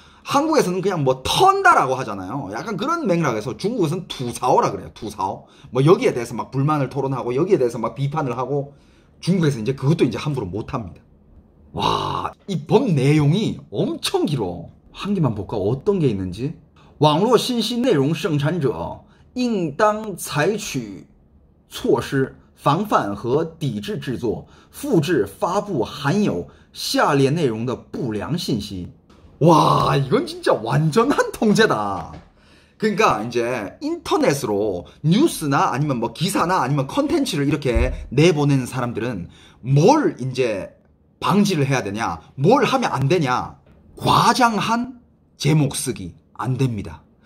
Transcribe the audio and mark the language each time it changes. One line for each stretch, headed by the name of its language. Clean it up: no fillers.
Korean: 한국에서는 그냥 뭐 턴다라고 하잖아요. 약간 그런 맥락에서 중국에서는 두사오라 그래요. 두사오. 뭐 여기에 대해서 막 불만을 토론하고 여기에 대해서 막 비판을 하고, 중국에서 이제 그것도 이제 함부로 못합니다. 와, 이법 내용이 엄청 길어. 한 개만 볼까? 어떤 게 있는지?
Chinese: 网络信息内容生产者应当采取措施防范和抵制制作、复制、发布含有下列内容的不良信息。
Korean: 와, 이건 진짜 완전한 통제다. 그러니까 이제 인터넷으로 뉴스나 아니면 뭐 기사나 아니면 컨텐츠를 이렇게 내보내는 사람들은 뭘 이제 방지를 해야 되냐? 뭘 하면 안 되냐? 과장한 제목 쓰기 안 됩니다.